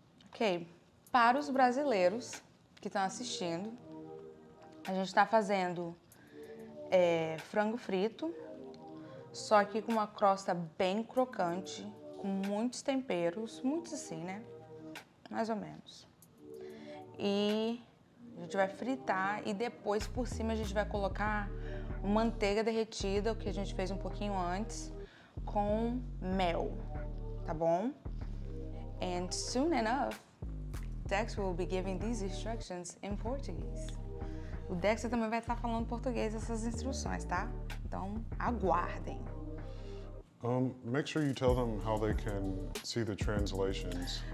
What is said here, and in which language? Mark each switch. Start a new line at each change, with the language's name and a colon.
Portuguese: Ok, para os brasileiros que estão assistindo, a gente está fazendo frango frito, só que com uma crosta bem crocante, com muitos temperos, muitos assim, né? Mais ou menos. E a gente vai fritar e depois por cima a gente vai colocar manteiga derretida, o que a gente fez um pouquinho antes, com mel, tá bom?
English: And soon enough, Dex will be giving these instructions in Portuguese.
Portuguese: O Dex também vai estar falando português essas instruções, tá? Então, aguardem.
English: Make sure you tell them how they can see the translations.